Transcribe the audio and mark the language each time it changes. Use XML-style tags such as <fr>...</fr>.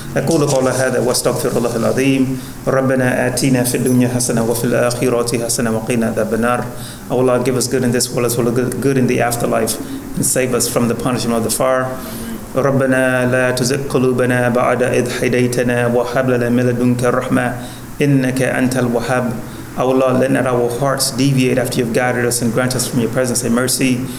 <ar>أقول قول هذا واستغفر الله العظيم. ربنا آتينا في الدنيا حسنة وفي الآخرة حسنة وقنا عذاب النار.</ar> <en>Oh Allah, give us good in this world as well as good in the afterlife, and save us from the punishment of the fire.</en> <ar>ربنا لا تزغ قلوبنا بعد إذ هديتنا وهب لنا من لدنك الرحمة إنك أنت الوهاب.</ar> <en>Oh Allah, let not our hearts deviate after you've guided us, and grant us from your presence a mercy.</en>